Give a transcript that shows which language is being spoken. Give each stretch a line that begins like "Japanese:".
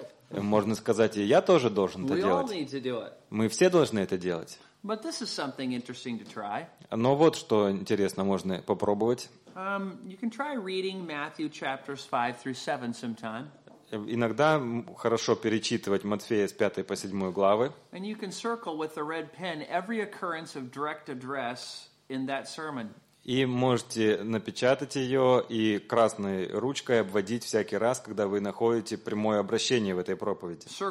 Russian: Можно сказать, и я тоже должен это делать. Мы все должны это делать. Но вот что интересно, можно попробовать. Иногда хорошо перечитывать Матфея с 5 по 7 главы.
English: And you can circle with a red pen every occurrence of direct address in that sermon.
Russian: И можете напечатать ее и красной ручкой обводить всякий раз, когда вы находите прямое обращение в этой проповеди.